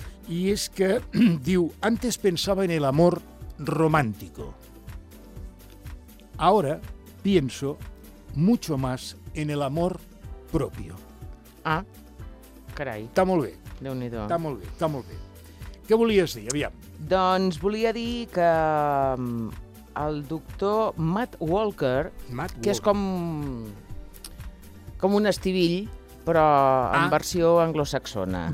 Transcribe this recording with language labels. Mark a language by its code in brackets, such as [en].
[ca] I és que diu: [es] "Antes pensaba en el amor romántico. Ahora pienso mucho más en el amor propio." [ca] Ah, carai. Està molt bé. Déu-n'hi-do. Està molt bé, està molt bé. Què volies dir, aviam? Doncs volia dir que el doctor Matt Walker, que és com un estivill, però en versió anglosaxona.